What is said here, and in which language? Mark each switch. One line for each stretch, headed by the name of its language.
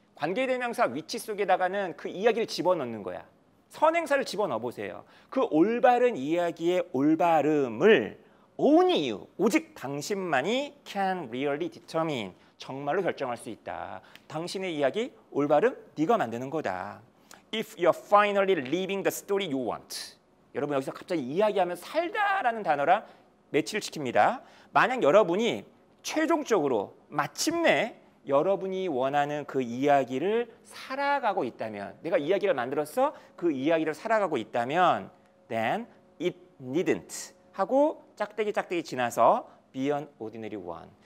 Korean: 관계대명사 which 속에다가는 그 이야기를 집어넣는 거야. 선행사를 집어넣어보세요. 그 올바른 이야기의 올바름을
English: only you,
Korean: 오직 당신만이
English: can really determine.
Korean: 정말로 결정할 수 있다. 당신의 이야기, 올바름, 네가 만드는 거다.
English: If you're finally living the story you want.
Korean: 여러분, 여기서 갑자기 이야기하면 살다라는 단어랑 매치를 시킵니다. 만약 여러분이 최종적으로 마침내 여러분이 원하는 그 이야기를 살아가고 있다면, 내가 이야기를 만들었어? 그 이야기를 살아가고 있다면
English: then it needn't
Korean: 하고 짝대기 짝대기 지나서
English: be an ordinary one.